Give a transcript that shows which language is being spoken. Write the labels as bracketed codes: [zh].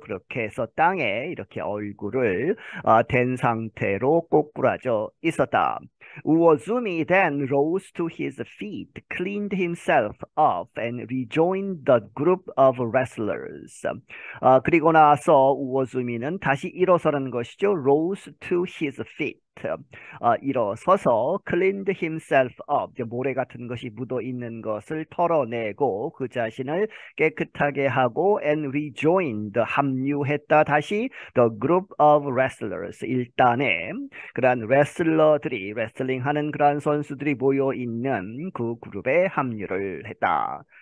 [ko] 그렇게 해서 땅에 이렇게 얼굴을 댄 상태로 꼬꾸라져 있었다. [en] Uozumi then rose to his feet, cleaned himself off, and rejoined the group of wrestlers. [ko] 그리고 나서 우오즈미는 다시 일어서는 것이죠. [en] Rose to his feet. [ko] 일어서서 [en] cleaned himself up, [ko] 모래 같은 것이 묻어 있는 것을 털어내고 그 자신을 깨끗하게 하고 [en] and rejoined, [ko] 합류했다 다시 [en] the group of wrestlers, [ko] 일단에 그러한 레슬러들이, 레슬링하는 그러한 선수들이 모여 있는 그 그룹에 합류를 했다.